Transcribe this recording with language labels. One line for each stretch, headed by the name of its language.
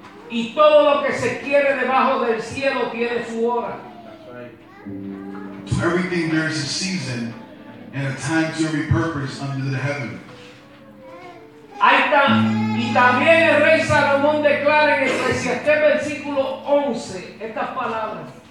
Spanish: Y todo lo que se quiere debajo del cielo tiene su hora.
English: That's right. To everything there is a season. And a time to repurpose under the heaven.
Spanish: Y también el rey Salomón declara en Eclesiastés versículo 11 estas palabras.